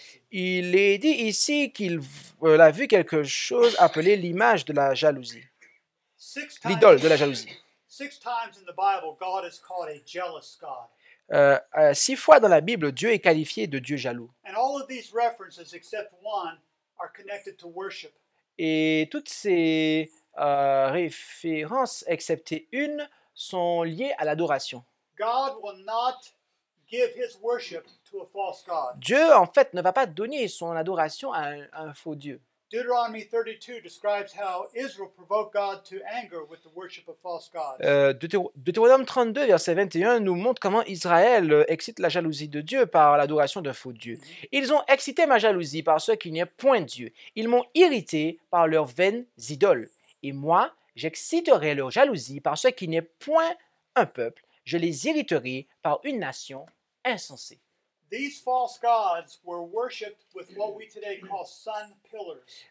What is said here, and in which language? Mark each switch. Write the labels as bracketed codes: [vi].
[fr] Il est dit ici qu'il a vu quelque chose appelé l'image de la jalousie. L'idole de la jalousie. Six fois dans la Bible, Dieu est qualifié de Dieu jaloux. [en] And all of these references, except one, are connected to worship. [fr] Et toutes ces références, excepté une, sont liées à l'adoration. [en] God will not give his worship to a false god. [fr] Dieu, en fait, ne va pas donner son adoration à un faux dieu. [en] Deuteronomy 32 describes how Israel provoked God to anger with the worship of false gods. [fr] Deutéronome 32 verset 21 nous montre comment Israël excite la jalousie de Dieu par l'adoration d'un faux dieu. Ils ont excité ma jalousie par ce qu'il n'y a point de Dieu. Ils m'ont irrité par leurs vaines idoles. Et moi, j'exciterai leur jalousie par ce qu'il n'y a point un peuple. Je les irriterai par une nation insensée. [en] These false gods were worshipped with what we today call sun pillars.